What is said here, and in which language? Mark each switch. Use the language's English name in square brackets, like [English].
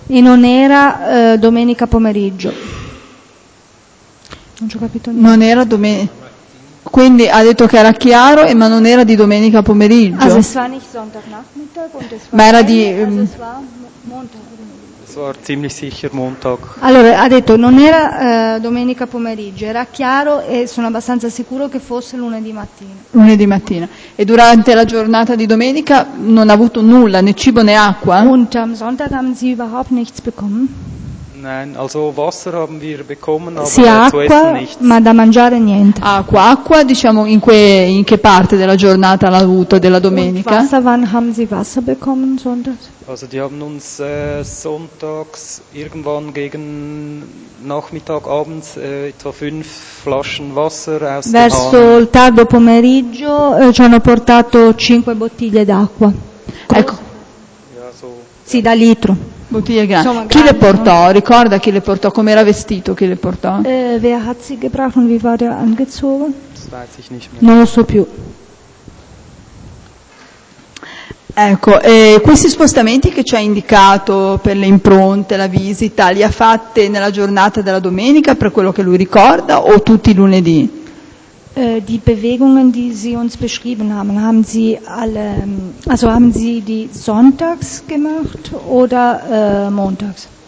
[Italian] E non era domenica pomeriggio. Non ci ho capito niente. Non era domenica. Quindi ha detto che era chiaro, ma non era di domenica pomeriggio. [German] Also es war nicht Sonntagnachmittag und es war, [Italian] ma era di, [German] es war ziemlich sicher Montag. [Italian] Allora ha detto non era domenica pomeriggio, era chiaro e sono abbastanza sicuro che fosse lunedì mattina. Lunedì mattina. E durante la giornata di domenica non ha avuto nulla, né cibo né acqua? [German] Und am Sonntag haben sie überhaupt nichts bekommen? Nein, also Wasser haben wir bekommen, aber [Italian] sì, acqua, [German] zu essen nichts. [Italian] Ma da mangiare niente. Acqua, acqua, diciamo in, que, in che parte della giornata l'ha avuto della domenica? [German] Und Wasser, wann haben sie Wasser bekommen sonntags? Also die haben uns sonntags irgendwann gegen Nachmittag abends etwa 5 Flaschen Wasser aus dem [Italian] verso [German] Hahn. [Italian] Il tardo pomeriggio ci hanno portato 5 bottiglie d'acqua. Ecco. [German] Ja, so, [Italian] sì, da litro. Bottiglie grandi. Insomma, chi grande, le portò? No? Ricorda chi le portò? Come era vestito? Chi le portò? [German] Wer hat sie gebracht und wie war der angezogen? Das weiß ich nicht mehr. [Italian] Non lo so più. Ecco, questi spostamenti che ci ha indicato per le impronte, la visita, li ha fatte nella giornata della domenica per quello che lui ricorda o tutti i lunedì? [German] Die Bewegungen, die Sie uns beschrieben haben, haben Sie alle, also haben Sie die sonntags gemacht oder montags?